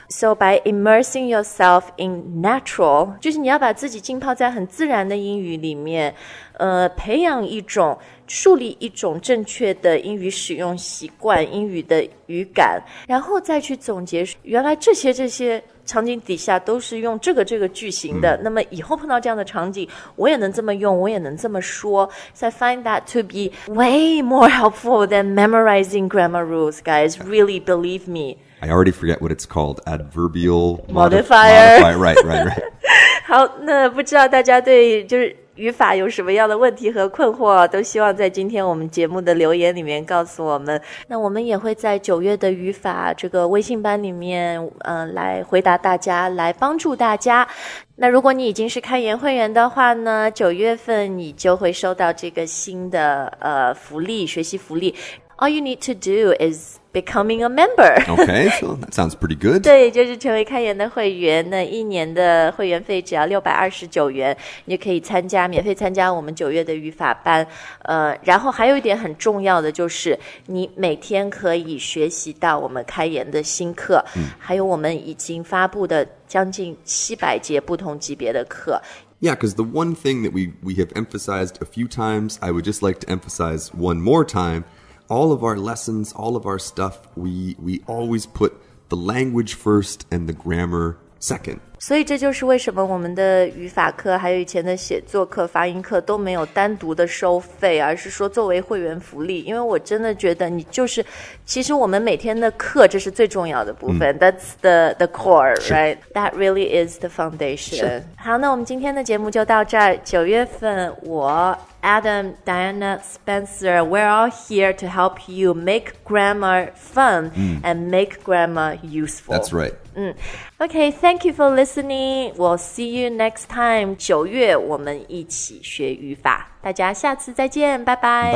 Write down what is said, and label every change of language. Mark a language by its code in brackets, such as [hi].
[en] So by immersing yourself in natural, [zh] 就是你要把自己浸泡在很自然的英语里面培养一种树立一种正确的英语使用习惯英语的语感然后再去总结原来这些场景底下都是用这个句型的那么以后碰到这样的场景我也能这么用我也能这么说 [en] So I find that to be way more helpful than memorizing grammar rules guys really believe me I already forget what it's called adverbial modifier right [zh] 好那不知道大家对就是语法有什么样的问题和困惑都希望在今天我们节目的留言里面告诉我们那我们也会在九月的语法这个微信班里面来回答大家来帮助大家那如果你已经是开言会员的话呢九月份你就会收到这个新的福利学习福利 [en] All you need to do is becoming a member Okay, so that sounds pretty good [zh] 对就是成为开言的会员那一年的会员费只要629元你可以参加免费参加我们九月的语法班然后还有一点很重要的就是你每天可以学习到我们开言的新课还有我们已经发布的将近700节不同级别的课 [en] Yeah, because the one thing that we have emphasized a few times I would just like to emphasize one more timeAll of our lessons, all of our stuff, we always put the language first and the grammar second. [zh] 所以这就是为什么我们的语法课还有以前的写作课、发音课都没有单独的收费，而是说作为会员福利。因为我真的觉得你就是，其实我们每天的课这是最重要的部分。 [en] That's the core, right? That really is the foundation. [zh] 好，那我们今天的节目就到这儿。九月份我。 [en] Adam, Diana, Spencer, we're all here to help you make grammar fun and make grammar useful. That's right. Okay, thank you for listening. We'll see you next time. [zh] 九月我们一起学语法。大家下次再见，拜拜。